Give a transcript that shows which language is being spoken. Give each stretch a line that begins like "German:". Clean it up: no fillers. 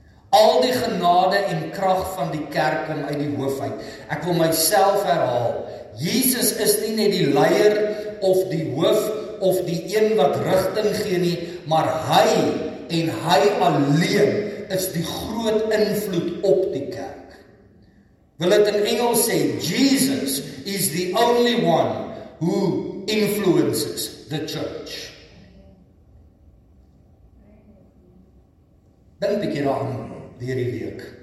Afrikaans: Al die genade en krag van die kerk kom uit die hoofheid. Ek wil myself herhaal. Jesus is nie net die leier of die hoof of die een wat rigting gee nie, maar hy en hy alleen is die groot invloed op die kerk. Wil dit in Engels sê,
English: Jesus is the only one who influences the church.
Afrikaans: Dink 'n bietjie daaraan deur die week.